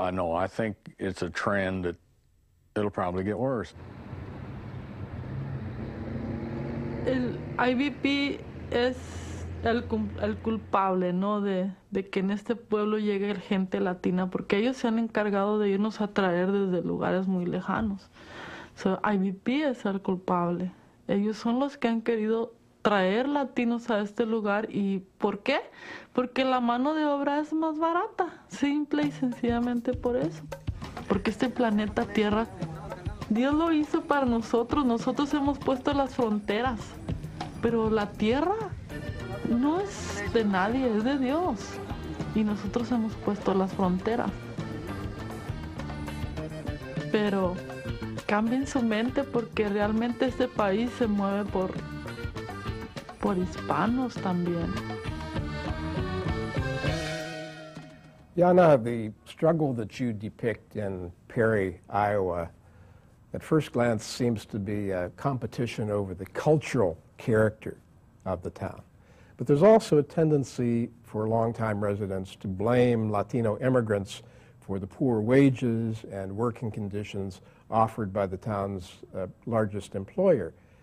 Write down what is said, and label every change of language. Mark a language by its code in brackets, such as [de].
[en] I know, I think it's a trend that it'll probably get worse. [es] El IBP es el culpable, ¿no?, de que en este pueblo llegue gente latina, porque ellos se han encargado de irnos a traer desde lugares muy lejanos. So, IBP es el culpable. Ellos son los que han querido traer latinos a este lugar. ¿Y por qué? Porque la mano de obra es más barata, simple y sencillamente por eso. Porque este planeta Tierra... Dios lo hizo para nosotros. Nosotros hemos puesto las fronteras, pero la tierra no es de nadie, es de Dios. Y nosotros hemos puesto las fronteras. Pero cambien su mente, porque realmente este país se mueve por hispanos también. [en] Yana, the struggle that you depict in Perry, Iowa, at first glance seems to be a competition over the cultural character of the town. But there's also a tendency for longtime residents to blame Latino immigrants for the poor wages and working conditions offered by the town's largest employer.